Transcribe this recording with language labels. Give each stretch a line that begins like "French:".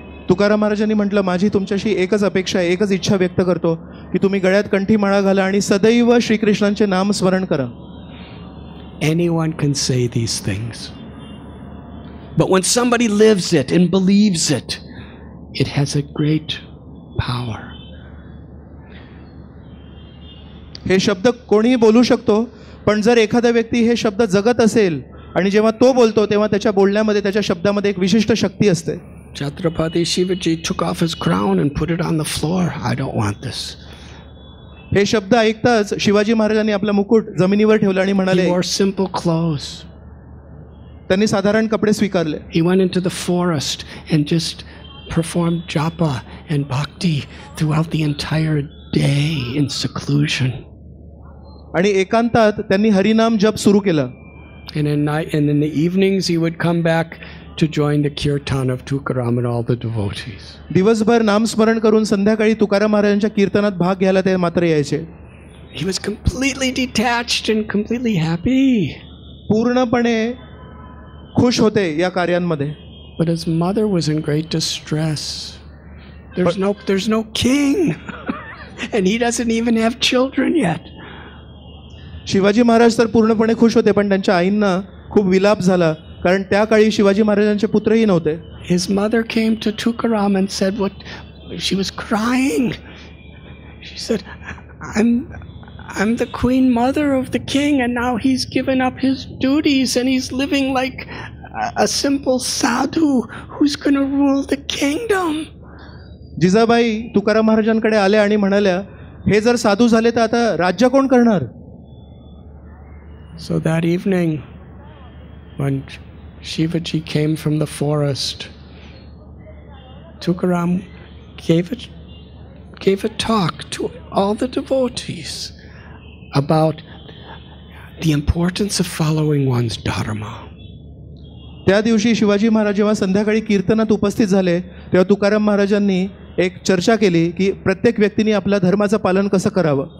Marathi: तुकाराम महाराजांनी म्हटलं, माझी तुमच्याशी एकच अपेक्षा आहे, एकच इच्छा व्यक्त करतो की तुम्ही गळ्यात कंठी माळा घाला आणि सदैव श्रीकृष्णांचे नाम स्मरण करा.
English: Anyone can say these things, but when somebody lives it and believes it, it has a great power.
Marathi: हे शब्द कोणीही बोलू शकतो, पण जर एखादा व्यक्ती हे शब्द जगत असेल आणि जेव्हा तो बोलतो तेव्हा त्याच्या बोलण्यामध्ये त्याच्या शब्दामध्ये एक विशिष्ट शक्ती असते.
English: Chhatrapati Shivaji took off his crown and put it on the floor. I don't want this.
Marathi: हे शब्द ऐकताच शिवाजी महाराजांनी आपला मुकुट जमिनीवर ठेवला आणि म्हणाले,
English: he wore simple clothes.
Marathi: त्यांनी साधारण कपडे स्वीकारले.
English: He went into the forest and just performed japa and bhakti throughout the entire day in seclusion.
Marathi: आणि एकांतात त्यांनी हरिनाम जप सुरू केला.
English: And in night and in the evenings he would come back to join the kirtan of Tukaram and all the devotees.
Marathi: दिवसभर नामस्मरण करून संध्याकाळी तुकाराम महाराजांच्या कीर्तनात भाग घ्यायला ते मात्र यायचे.
English: He was completely detached and completely happy.
Marathi: पूर्णपणे खुश होते या कार्यांमध्ये.
English: But his mother was in great distress. There's no king and he doesn't even have children yet.
Marathi: Shivaji Maharaj तर पूर्णपणे खुश होते, पण त्यांच्या आईंना खूप विलाप झाला, कारण त्या काळी शिवाजी महाराजांचे पुत्रही नव्हते.
English: His mother came to Tukaram and said, what she was crying. She said, I'm the queen mother of the king and now he's given up his duties and he's living like a simple sadhu who's going to rule the kingdom.
Marathi: Jijabai Tukaram महाराजांकडे आले आणि म्हणाल्या, हे जर साधू झाले तर आता राज्य कोण करणार.
English: So that evening when Shivaji came from the forest, Tukaram gave a talk to all the devotees about the importance of following one's dharma.
Marathi: त्या दिवशी शिवाजी महाराज जेव्हा संध्याकाळी कीर्तनात उपस्थित झाले तेव्हा तुकाराम महाराजांनी एक चर्चा केली की प्रत्येक व्यक्तीने आपल्या धर्माचं पालन कसं करावं.